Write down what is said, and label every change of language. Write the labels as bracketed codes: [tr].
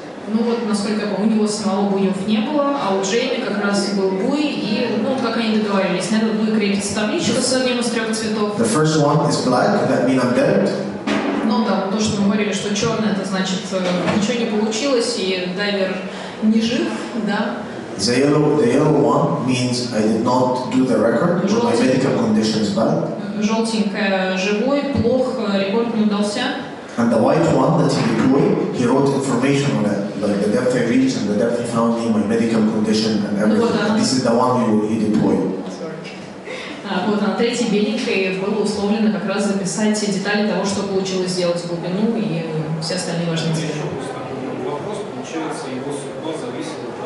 [ru] Ну вот, насколько я помню, у него самого буев не было, а у Джейми как раз и был буй, и, ну, как они договорились, на этот буй крепится табличка с одним из трех цветов. [en] The first one is black, that means I'm dead. [ru] Ну да, то, что мы говорили, что черный, это значит, ничего не получилось, и дайвер не жив, да. [en] The yellow one means I did not do the record, but my medical condition is bad. [ru] Желтенькая, живой, плохо, рекорд не удался. [en] And the white one that he deployed, he wrote information on it, like the depth I reached and the depth he found me, my medical condition and everything. [ru] Ну, вот, [en] this is the one he deployed. [ru] Вот на третьей беленькой было условлено как раз записать все детали того, что получилось сделать, глубину и все остальные важные детали. Вопрос получается, его судьба зависит.